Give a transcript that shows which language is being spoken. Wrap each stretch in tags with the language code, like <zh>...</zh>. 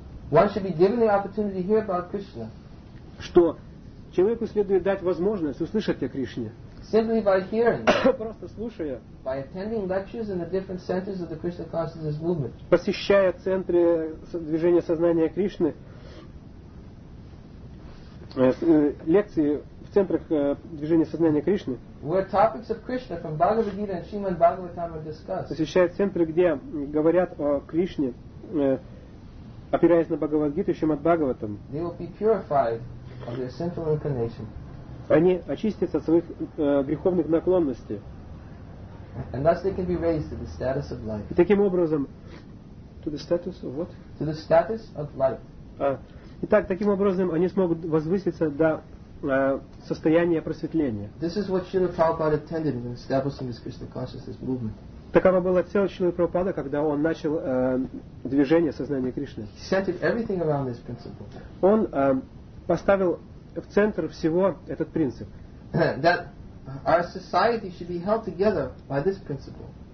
<en>One should be given the opportunity to hear about Krishna.</en> <ru>Что человеку следует дать возможность услышать о Кришне.</ru> <en>Simply by hearing,</en> <ru>просто слушая,</ru> <en>by attending lectures in the different centers of the Krishna consciousness movement,</en> <ru>посещая центры движения сознания Кришны, лекции в центрах движения сознания Кришны,</ru> <en>where topics of Krishna from Bhagavad Gita and Srimad Bhagavatam are discussed,</en> <ru>посещая центры, где говорят о Кришне, опираясь на Бхагавад Гиту и Шримад Бхагаватам,</ru> <en>they will be purified of their sinful inclination.</en> <ru>Они очистятся от своих греховных наклонностей.</ru> <en>And thus they can be raised to the status of life.</en> <ru>И таким образом,</ru> <en>to the status of what? To the status of life.</en> <ru>Итак, таким образом они смогут возвыситься до состояния просветления.</ru> <en>This is what Srila Prabhupada intended in establishing this Krishna consciousness movement.</en> <ru>Такова была цель Шрилы Прабхупады, когда он начал движение сознания Кришны.</ru> <en>He centered everything around this principle.</en> <ru>Он поставил в центр всего этот принцип.</ru> <en>That our society should be held together by this principle.</en>